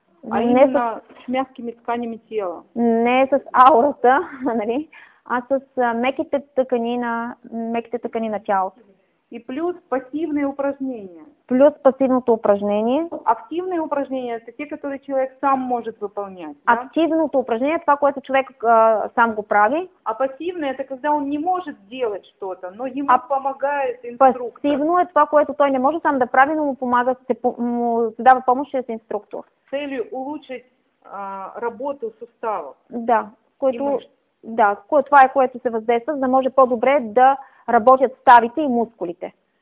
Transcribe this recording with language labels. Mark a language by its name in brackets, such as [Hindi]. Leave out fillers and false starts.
[Russian] А не именно с мягкими тканями тела. [Bulgarian] Не с аурата, нали? А с меките тъкани на тялото. [Russian] И плюс пасивные упражнения. [Bulgarian] Плюс пасивното упражнение. [Russian] Активные упражнения – это те, которые человек сам может выполнять. Да? [Bulgarian] Активното упражнение – това, което човек сам го прави. [Russian] А пасивное – это когда он не может делать что-то, но ему помогает инструктор. [Bulgarian] Пасивно – това, което той не може сам да прави, но му помага, му дава помощ с инструктор. [Russian] С целью улучшить работу суставов. [Bulgarian] Да. Което, да, това е което се въздейства, за да може по-добре да работят ставите и мускулите.